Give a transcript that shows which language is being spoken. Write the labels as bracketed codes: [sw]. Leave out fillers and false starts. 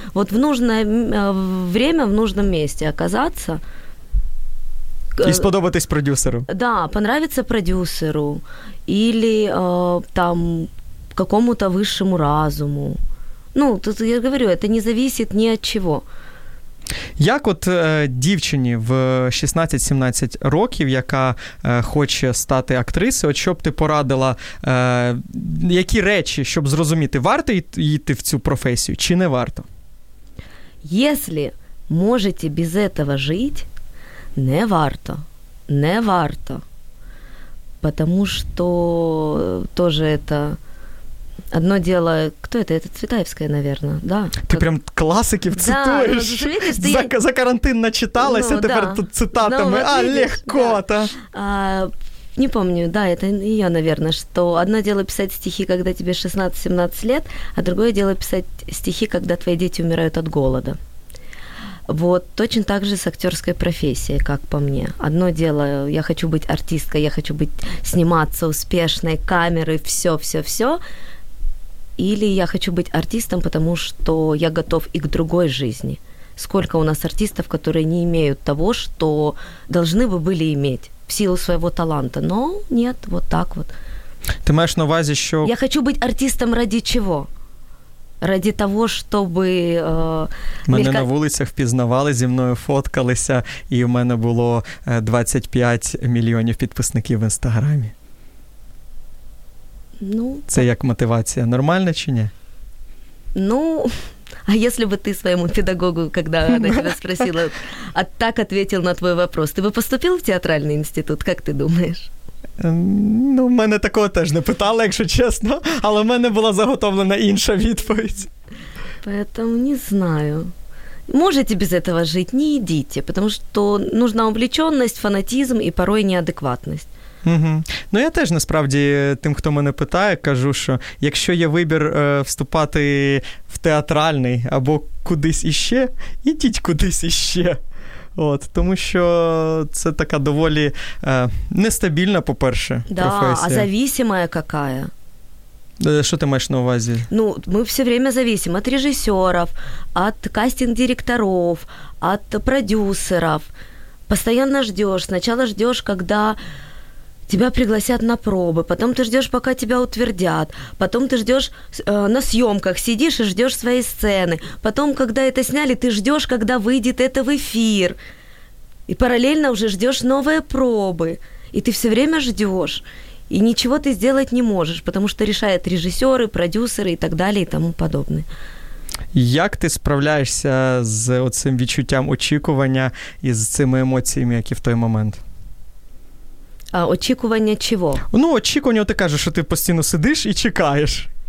[ru] Вот в нужное время, в нужном месте оказаться – и сподобатись продюсеру. Да, понравится продюсеру. Или там какому-то высшему разуму. Ну, тут я говорю, это не зависит ни от чего. [uk] Як от дівчині в 16-17 років, яка хоче стати актрисою, от що б ти порадила, які речі, щоб зрозуміти, варто йти в цю професію чи не варто? [ru] Если можете без этого жить... [uk] Не варто, не варто, [ru] потому что тоже это одно дело, кто это Цветаевская, наверное, да. Ты как... прям классики цитуешь, да, видишь, что за карантин начиталась, ну, а теперь да. Тут цитатами, ну, вот видишь, а легко-то. Да. А, не помню, да, это ее, наверное, что одно дело писать стихи, когда тебе 16-17 лет, а другое дело писать стихи, когда твои дети умирают от голода. Вот, точно так же с актерской профессией, как по мне. Одно дело, я хочу быть артисткой, я хочу быть, сниматься успешной, камеры, все-все-все. Или я хочу быть артистом, потому что я готов и к другой жизни. Сколько у нас артистов, которые не имеют того, что должны бы были иметь в силу своего таланта. Но нет, вот так вот. [uk] Ты маешь на увазе, что... [ru] Я хочу быть артистом ради чего? Ради того, чтобы... [uk] Мене на вулицях впізнавали, зі мною фоткалися, і в мене було 25 мільйонів підписників в Інстаграмі. Ну, це так. Як мотивація. Нормально чи ні? Ну, а якщо б ти своєму педагогу, коли вона тебе спросила, а так відповів на твій вопрос, ти би поступив в театральний інститут? Як ти думаєш? Ну, мене такого теж не питали, якщо чесно, але в мене була заготовлена інша відповідь. [ru] Поэтому не знаю. Можете без этого жить, не идите, потому что нужна увлеченность, фанатизм и порой неадекватность. Угу. [uk] Ну, я теж насправді тим, хто мене питає, кажу, що якщо є вибір вступати в театральний або кудись іще, ідіть кудись іще. От, тому що це така доволі нестабільна, по-перше, да, професія. [ru] А зависимая какая? Что ты имеешь на увазе? Ну, мы все время зависим от режиссеров, от кастинг-директоров, от продюсеров. Постоянно ждешь. Сначала ждешь, когда тебя пригласят на пробы, потом ты ждешь, пока тебя утвердят, потом ты ждешь на съемках, сидишь и ждешь своей сцены, потом, когда это сняли, ты ждешь, когда выйдет это в эфир. И параллельно уже ждешь новые пробы. И ты все время ждешь. И ничего ты сделать не можешь, потому что решают режиссеры, продюсеры и так далее и тому подобное. [uk] Як ти справляєшся з оцим відчуттям очікування і з цими емоціями, які в той момент? А очікування чого? Ну, очікування, ти кажеш, що ти постійно сидиш і чекаєш.